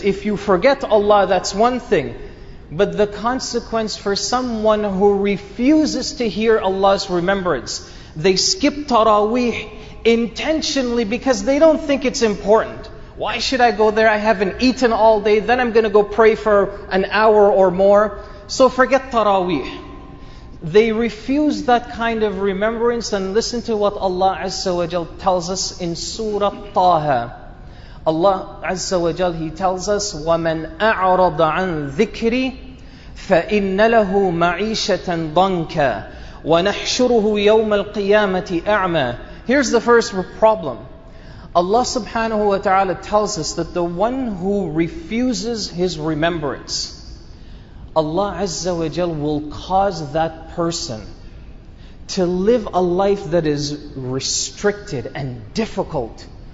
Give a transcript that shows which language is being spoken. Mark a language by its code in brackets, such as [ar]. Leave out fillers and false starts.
[en] If you forget Allah, that's one thing. But the consequence for someone who refuses to hear Allah's remembrance, they skip Taraweeh intentionally because they don't think it's important. Why should I go there? I haven't eaten all day. Then I'm going to go pray for an hour or more. So forget Taraweeh. They refuse that kind of remembrance. And listen to what Allah Azza wa Jal tells us in Surah Taha. [ar] Allah Azza wa Jal, [en] He tells us, [ar] وَمَنْ أَعْرَضَ عَنْ ذِكْرِي فَإِنَّ لَهُ مَعِيشَةً ضَنْكَ وَنَحْشُرُهُ يَوْمَ الْقِيَامَةِ أَعْمَى. [en] Here's the first problem. Allah subhanahu wa ta'ala tells us that the one who refuses His remembrance, Allah Azza wa Jal will cause that person to live a life that is restricted and difficult.